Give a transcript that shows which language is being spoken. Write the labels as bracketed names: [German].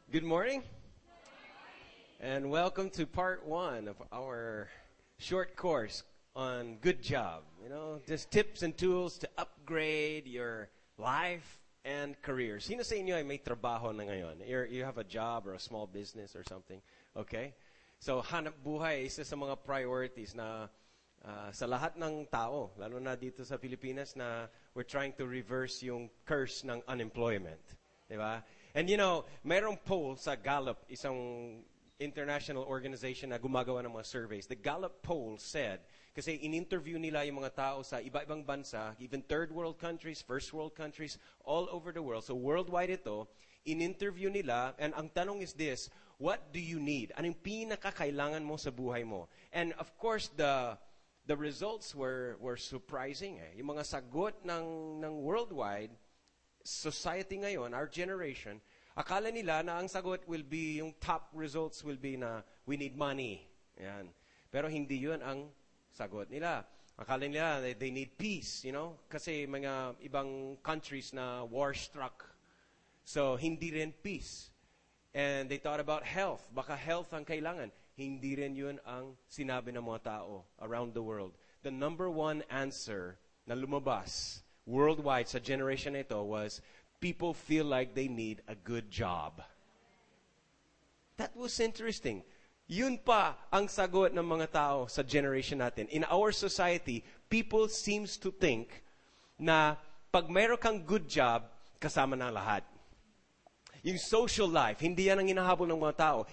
[English] Good morning, and welcome to part one of our short course on good job, you know, just tips and tools to upgrade your life and career. [Filipino] Sino sa inyo ay may trabaho na ngayon? [English] You have a job or a small business or something, okay? [Filipino] So, hanap buhay, isa sa mga priorities na sa lahat ng tao, lalo na dito sa Pilipinas, na [English] we're trying to reverse [Filipino] yung curse ng unemployment, di ba? [English] And you know, [Filipino] mayroong poll sa Gallup, isang [English] international organization [Filipino] na gumagawa ng mga surveys. [English] The Gallup poll said, [Filipino] kasi in-interview nila yung mga tao sa iba-ibang bansa, [English] even third world countries, first world countries, all over the world. So worldwide [Filipino] ito, in-interview nila, [English] and [Filipino] ang tanong [English] is this, what do you need? [Filipino] Anong pinakakailangan mo sa buhay mo? [English] And of course, the results were surprising. [Filipino] Yung mga sagot ng worldwide, society ngayon, [English] our generation, [Filipino] akala nila na ang sagot will be, yung [English] top results will be [Filipino] na [English] we need money. [Filipino] Ayan. Pero hindi yun ang sagot nila. Akala nila [English] that they need peace, you know? [Filipino] Kasi mga ibang countries na war-struck. [English] So, [Filipino] hindi rin [English] peace. And they thought about health. [Filipino] Baka health ang kailangan. Hindi rin yun ang sinabi ng mga tao [English] around the world. The number one answer [Filipino] na lumabas [English] worldwide, [Filipino] sa generation ito, [English] was people feel like they need a good job. That was interesting. [Filipino] Yun pa ang sagot ng mga tao sa generation natin. [English] In our society, people seems to think [Filipino] na pag meron kang good job, kasama na lahat. Yung [English] social life, [Filipino] hindi yan ang inahabol ng mga tao.